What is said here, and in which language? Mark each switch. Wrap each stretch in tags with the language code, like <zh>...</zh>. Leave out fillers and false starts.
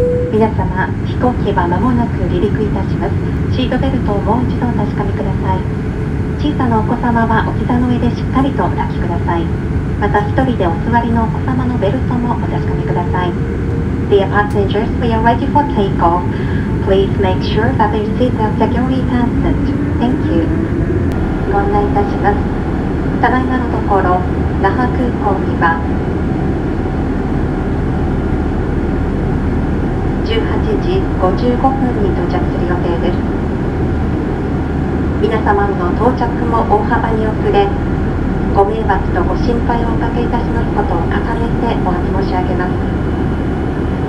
<ja>では間もなく離陸いたします。シートベルトをもう一度お確かめください。小さなお子様はお膝の上でしっかりとお抱きください。また一人でお座りのお子様のベルトもお確かめください。</ja> <en>Dear passengers, we are ready for takeoff. Please make sure that the seat is securely fastened. Thank you.</en> <ja>ご案内いたします。ただいまのところ那覇空港には18時55分に到着する予定です。皆様の到着も大幅に遅れ、ご迷惑とご心配をおかけいたしますことを重ねてお詫び申し上げます。</ja>